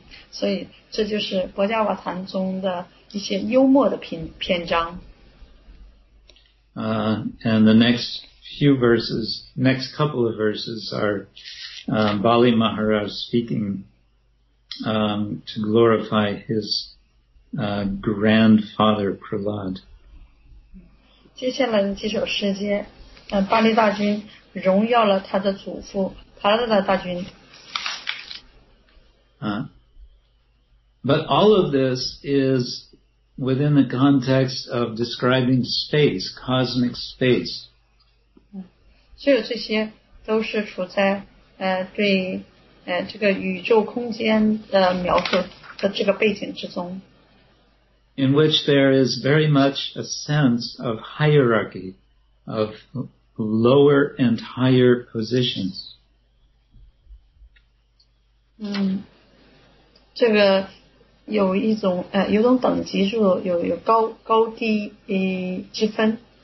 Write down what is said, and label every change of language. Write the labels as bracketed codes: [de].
[zh] 所以这就是《薄伽瓦坛》中的一些幽默的篇章。 [en] And the next couple of verses are Bali Maharaj speaking to glorify his grandfather Prahlad. [zh] 接下来的几首诗节，巴利大君荣耀了他的祖父帕拉达大君。 [en] But all of this is within the context of describing space, cosmic space. [zh] 所有这些都是处在对这个宇宙空间的描述的这个背景之中。 [en] In which there is very much a sense of hierarchy, of lower and higher positions. [zh] 这个有一种有种等级数，有高低之分。